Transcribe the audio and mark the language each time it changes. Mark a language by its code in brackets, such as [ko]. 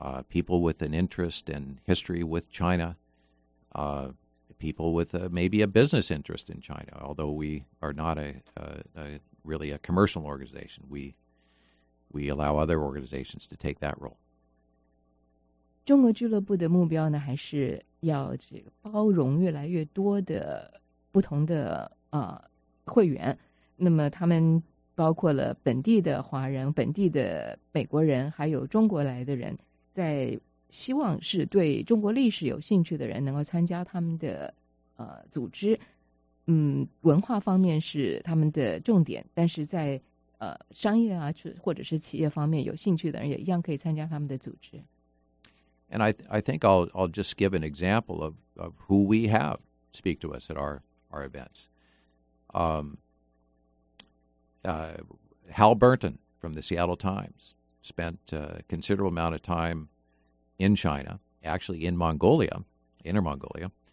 [en] People with an interest in history with China, people with maybe a business interest in China, although we are not a really a commercial organization. We allow other organizations to take that role. [zh] 中国俱乐部的目标呢，还是要这个包容越来越多的不同的会员。那么他们包括了本地的华人、本地的美国人，还有中国来的人，在希望是对中国历史有兴趣的人能够参加他们的组织。文化方面是他们的重点，但是在商业啊，或者是企业方面有兴趣的人也一样可以参加他们的组织。 [en] And I think I'll just give an example of who we have speak to us at our events. Hal Burton from the Seattle Times spent a considerable amount of time in China, actually in Mongolia, Inner Mongolia,